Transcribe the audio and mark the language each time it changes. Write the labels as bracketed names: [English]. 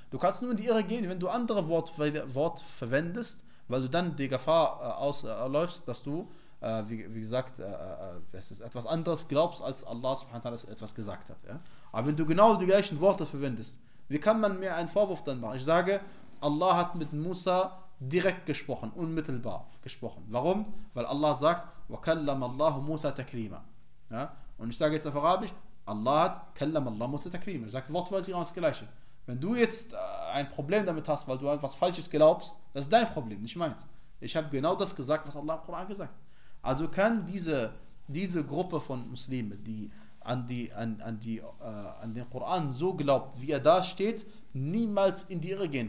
[German] Du kannst nur in die Irre gehen, wenn du andere Wort verwendest, weil du dann die Gefahr ausläufst, dass du etwas anderes glaubst, als Allah subhanahu wa ta'ala etwas gesagt hat. Ja? Aber wenn du genau die gleichen Worte verwendest, wie kann man mir einen Vorwurf dann machen? Ich sage, Allah hat mit Musa direkt gesprochen, unmittelbar gesprochen. Warum? Weil Allah sagt, [Arabic] وَكَلَّمَ اللَّهُ مُوسَى تَكْلِيمًا. [German] Ja? Und ich sage jetzt auf Arabisch, Allah hat [Arabic] كَلَّمَ اللَّهُ مُوسَى تَكْلِيمًا. [German] Ich sage wortwörtlich das Gleiche. Wenn du jetzt ein Problem damit hast, weil du etwas Falsches glaubst, das ist dein Problem, nicht meins. Ich habe genau das gesagt, was Allah im Koran gesagt hat. Also kann diese Gruppe von Muslimen, die an den Koran so glaubt, wie er da steht, niemals in die Irre gehen.